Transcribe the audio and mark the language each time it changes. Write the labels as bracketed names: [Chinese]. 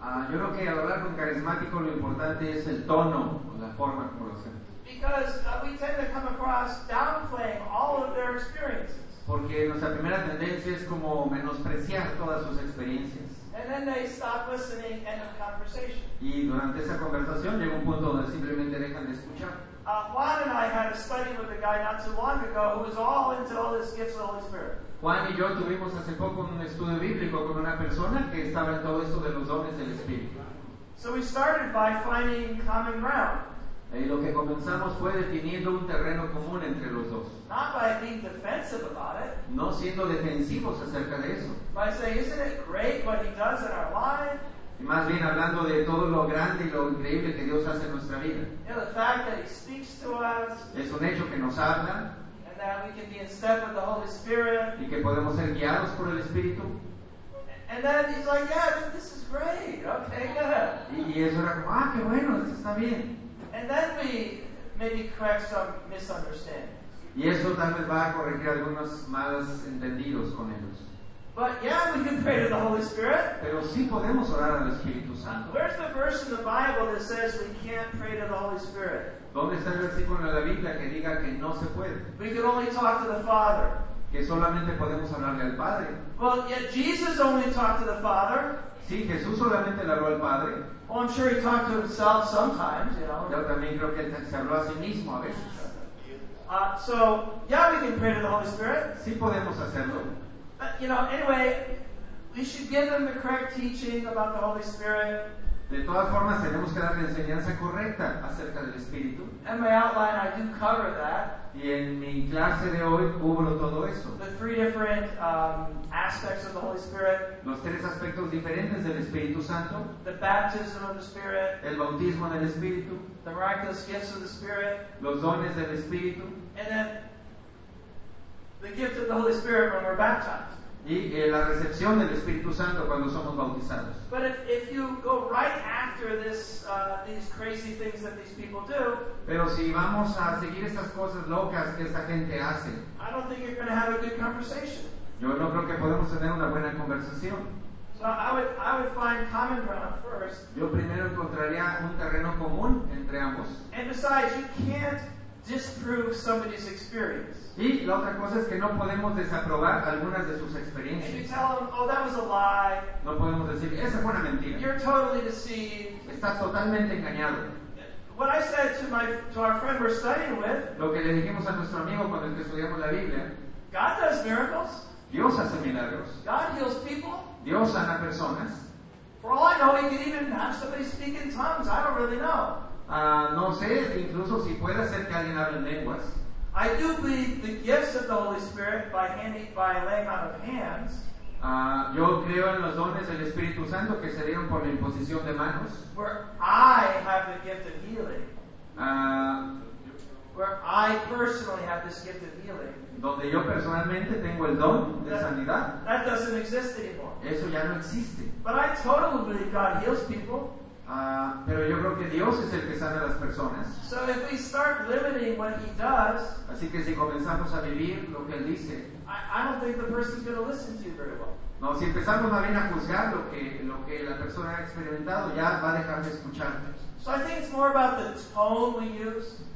[Spanish] Yo creo que al hablar con carismáticos lo importante es el tono o la forma como lo hacemos. [English] Because we tend to come across downplaying all of their experiences. [Spanish] Porque nuestra primera tendencia es como menospreciar todas sus experiencias. [English] And then they stop listening and end of conversation. [Spanish] Y durante esa conversación llega un punto donde simplemente dejan de escuchar. [English] Juan and I had a study with a guy not too long ago who was all into all this gifts of the Holy Spirit. [Spanish] Juan y yo tuvimos hace poco un estudio bíblico con una persona que estaba en todo esto de los dones del Espíritu. [English] So we started by finding common ground. [Spanish] Y lo que comenzamos fue definiendo un terreno común entre los dos. [English] Not by being defensive about it. [Spanish] No siendo defensivos acerca de eso. [English] By saying, isn't it great what he does in our life? [Spanish] Y más bien hablando de todo lo grande y lo increíble que Dios hace en nuestra vida. [English] You know, the fact that he speaks to us. [Spanish] Es un hecho que nos habla. [English] And that we can be in step with the Holy Spirit. [Spanish] Y que podemos ser guiados por el Espíritu. [English] And then he's like, yeah, this is great. Okay, good. [Spanish] Y eso era como, ah, qué bueno, esto está bien. [English] And then we maybe correct some misunderstandings. [Spanish] Y eso tal vez va a corregir algunos malos entendidos con ellos. [English] But yeah, we can pray to the Holy Spirit. [Spanish] Pero sí podemos orar al Espíritu Santo. [English] Where's the verse in the Bible that says we can't pray to the Holy Spirit? [Spanish] ¿Dónde está el versículo en la Biblia que diga que no se puede? [English] We can only talk to the Father. [Spanish] Que solamente podemos hablarle al Padre. [English] Well, yet Jesus only talked to the Father. [Spanish] Sí, Jesús solamente le habló al Padre. [English] Well, I'm sure he talked to himself sometimes, you know. [Spanish] Yo también creo que se habló a sí mismo a veces. [English] So, yeah, we can pray to the Holy Spirit. [Spanish] Sí podemos hacerlo. [English] But, you know, anyway, we should give them the correct teaching about the Holy Spirit. [Spanish] De todas formas, tenemos que dar la enseñanza correcta acerca del Espíritu. [English] In my outline, I do cover that. [Spanish] Y en mi clase de hoy, cubro todo eso. [English] The three different aspects of the Holy Spirit. [Spanish] Los tres aspectos diferentes del Espíritu Santo. [English] The baptism of the Spirit. [Spanish] El bautismo del Espíritu. [English] The miraculous gifts of the Spirit. [Spanish] Los dones del Espíritu. [English] And then, the gift of the Holy Spirit when we're baptized. [Spanish] Y la recepción del Espíritu Santo cuando somos bautizados. [English] But if you go right after this, these crazy things that these people do. [Spanish] Pero si vamos a seguir estas cosas locas que esta gente hace. [English] I don't think you're going to have a good conversation. [Spanish] Yo no creo que podemos tener una buena conversación. [English] So I would find common ground first. [Spanish] Yo primero encontraría un terreno común entre ambos. [English] And besides, you can't disprove somebody's experience. [Spanish] Y la otra cosa es que no podemos desaprobar algunas de sus experiencias. [English] If you tell them, oh, that was a lie. [Spanish] No podemos decir, esa fue una mentira. [English] You're totally deceived. [Spanish] Estás totalmente engañado. [English] What I said to our friend we're studying with. [Spanish] Lo que le dijimos a nuestro amigo cuando estudiamos la Biblia. [English] God does miracles. [Spanish] Dios hace milagros. [English] God heals people. [Spanish] Dios sana personas. [English] For all I know, he could even have somebody speak in tongues. I don't really know. [Spanish] No sé, incluso si puede ser que alguien hable en lenguas. [English] I do believe the gifts of the Holy Spirit by laying on of hands. [Spanish] Yo creo en los dones del Espíritu Santo que se dieron por la imposición de manos. [English] Where I have the gift of healing. Where I personally have this gift of healing. [Spanish] Donde yo personalmente tengo el don de sanidad. [English] That doesn't exist anymore. [Spanish] Eso ya no existe. [English] But I totally believe God heals people. [Spanish] Pero yo creo que Dios es el que sana a las personas. [English] So if we start limiting what he does, [Spanish] así que si comenzamos a vivir lo que él dice, [English] I don't think the person's going to listen to you very well. [Spanish] No, si empezamos más bien a juzgar lo que la persona ha experimentado, ya va a dejar de escucharte. [English] So I think it's more about the tone we use.